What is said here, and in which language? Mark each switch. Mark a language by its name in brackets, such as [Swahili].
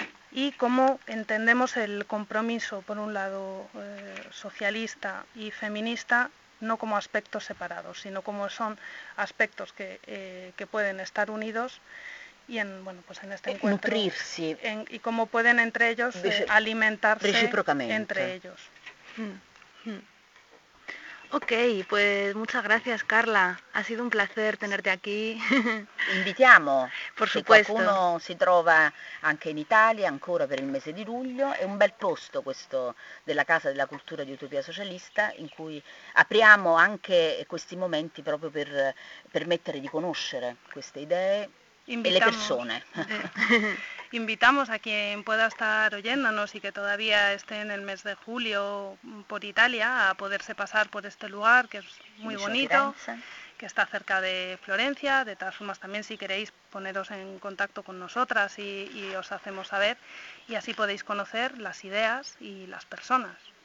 [Spanish] y cómo entendemos el compromiso, por un lado, socialista y feminista, no como aspectos separados, sino como son aspectos que pueden estar unidos y en, bueno, pues en este encuentro, nutrirse y cómo pueden entre ellos alimentarse recíprocamente entre ellos. Ok, pues muchas gracias, Carla. Ha sido un placer tenerte aquí. [Italian] Invitiamo. [Spanish] Por supuesto. [Italian] Se qualcuno si trova anche in Italia, ancora per il mese di luglio, è un bel posto questo della Casa della Cultura di Utopia Socialista, in cui apriamo anche questi momenti proprio per permettere di conoscere queste idee. [Spanish] Invitamos, y las personas. Invitamos a quien pueda estar oyéndonos y que todavía esté en el mes de julio por Italia a poderse pasar por este lugar que es muy bonito, que está cerca de Florencia. De todas formas, también si queréis poneros en contacto con nosotras y os hacemos saber y así podéis conocer las ideas y las personas.